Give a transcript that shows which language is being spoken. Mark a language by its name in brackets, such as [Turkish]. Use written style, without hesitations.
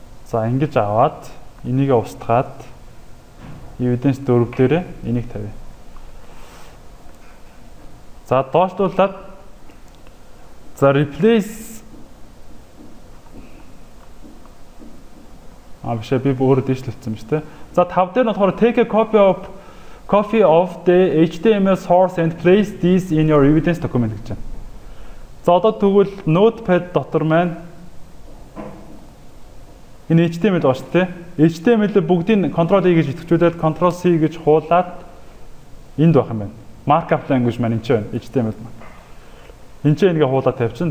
[Mongolian] За, ингэж аваад энийг устгаад evidence 4 дээрээ энийг тавья. За, доошдуулаад за replace А биш би өөрөө дэжлэлцсэн биз тэ. За 5 дээр нь болохоор [English] take a copy of copy of the HTML source and place this in your evidence document [Mongolian] гэж байна. За одоо тэгвэл notepad дотор маань энэ HTML байгаа шүү дээ. HTML бүгдийн control E гэж идэвхжүүлээд control C гэж хуулаад энд байх юм байна. Markup language маань энэ ч байна. HTML маань. Энд ч ингэ хуулаад тавьчихсан.